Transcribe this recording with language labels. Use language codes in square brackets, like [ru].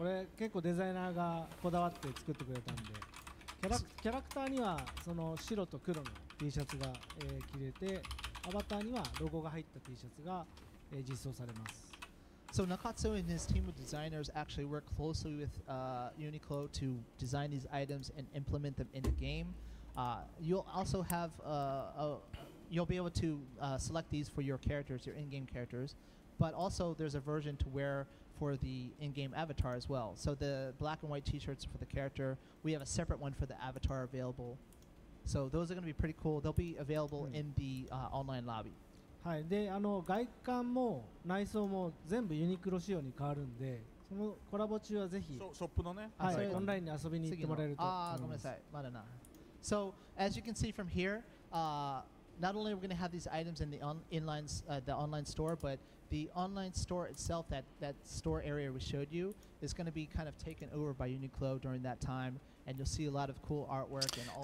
[ja] これ結構デザイナーがこだわって作ってくれたんで、キャラクターにはその白と黒の T シャツが、着れて、アバターにはロゴが入った T シャツが、実装されます。 [en] So Nakatsu and his team of designers actually work closely with Uniqlo to design these items and implement them in the game. You'll also have you'll be able to select these for your characters, your in-game characters. But also there's a version to wear for the in-game avatar as well. So the black and white t-shirts for the character, we have a separate one for the avatar available. So those are going to be pretty cool. They'll be available in the online lobby. [ja] はい、であの外観も内装も全部ユニクロ仕様に変わるんで、そのコラボ中はぜひショップのね、はい、オンラインに遊びに行ってもらえると思います。ああ、ごめんなさい、まだな。 [en] So as you can see from here, not only are we going to have these items in the online store, but the online store itself, that store area we showed you, is going to be kind of taken over by Uniqlo during that time, and you'll see a lot of cool artwork and all.